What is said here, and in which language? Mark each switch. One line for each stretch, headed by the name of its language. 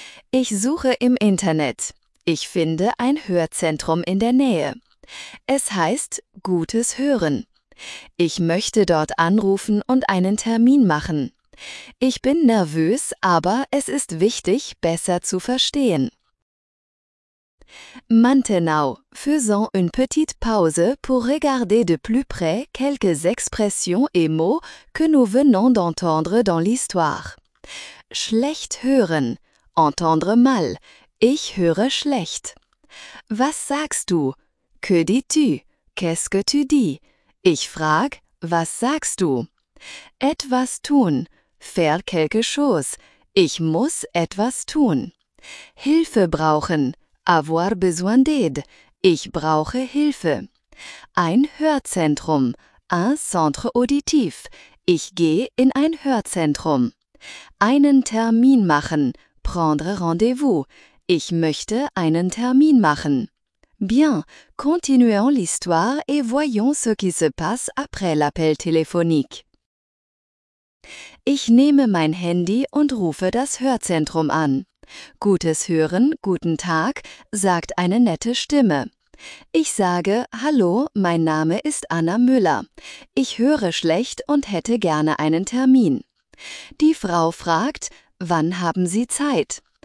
German: Ich suche im Internet. Ich finde ein Hörzentrum in der Nähe. Es heißt Gutes Hören. Ich möchte dort anrufen und einen Termin machen. Ich bin nervös, aber es ist wichtig, besser zu verstehen.
French: Maintenant, faisons une petite pause pour regarder de plus près quelques expressions et mots que nous venons d'entendre dans l'histoire.
German: Schlecht hören,
French: entendre mal,
German: ich höre schlecht. Was sagst du?
French: Que dis-tu? Qu'est-ce que tu dis?
German: Ich frag, was sagst du? Etwas tun,
French: faire quelque chose,
German: ich muss etwas tun. Hilfe brauchen,
French: avoir besoin d'aide,
German: ich brauche Hilfe. Ein Hörzentrum,
French: un centre auditif,
German: ich gehe in ein Hörzentrum. Einen Termin machen,
French: prendre rendez-vous,
German: ich möchte einen Termin machen.
French: Bien, continuons l'histoire et voyons ce qui se passe après l'appel téléphonique.
German: Ich nehme mein Handy und rufe das Hörzentrum an. Gutes Hören, guten Tag, sagt eine nette Stimme. Ich sage, hallo, mein Name ist Anna Müller. Ich höre schlecht und hätte gerne einen Termin. Die Frau fragt, wann haben Sie Zeit?